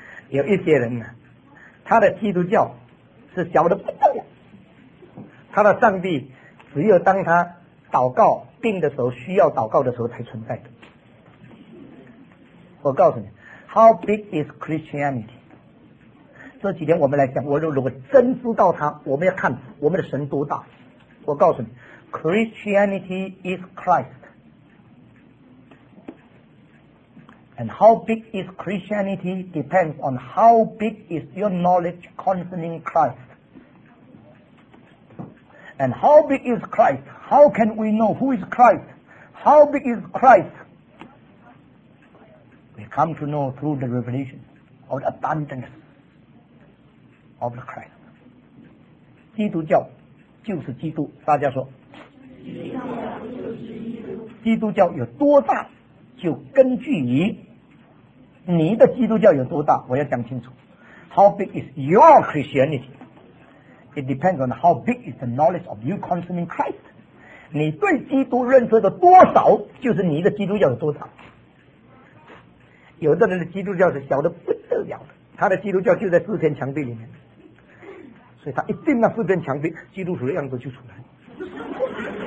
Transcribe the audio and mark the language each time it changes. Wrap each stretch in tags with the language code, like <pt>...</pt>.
<zh>有一些人呢，他的基督教是小的不得了，他的上帝只有当他祷告病的时候，需要祷告的时候才存在的。我告诉你</zh> <en>How big is Christianity？</en> <zh>这几天我们来讲，我如果真知道他，我们要看我们的神多大。我告诉你</zh> <en>Christianity is Christ， And how big is Christianity depends on how big is your knowledge concerning Christ。 And how big is Christ? How can we know who is Christ? How big is Christ? We come to know through the revelation of the abundance of the Christ.</en> <zh>基督教就是基督，大家说。基督教就是基督。基督教有多大，就根据你，你的基督教有多大，我要讲清楚。</zh> <en>How big is your Christianity? It depends on how big is the knowledge of you concerning Christ.</en> <zh>你对基督认识的多少，就是你的基督教有多大。有的人的基督教是小得不得了的，他的基督教就在四片墙壁里面，所以他一定那四片墙壁基督徒的样子就出来。</zh>